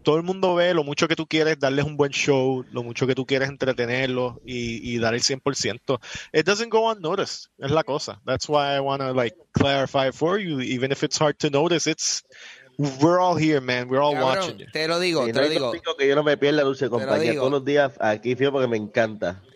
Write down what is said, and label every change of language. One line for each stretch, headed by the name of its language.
Spanish: Todo el mundo ve lo mucho que tú quieres darles un buen show, lo mucho que tú quieres entretenerlos y dar el 100%.
English: It doesn't go unnoticed.
Spanish: Es la cosa.
English: That's why I want to like clarify for you, even if it's hard to notice, it's we're all here, man. We're all watching you.
Spanish: Te lo digo. Que yo no me pierda, Dulce, compañía. Todos los días aquí, fío, porque me encanta.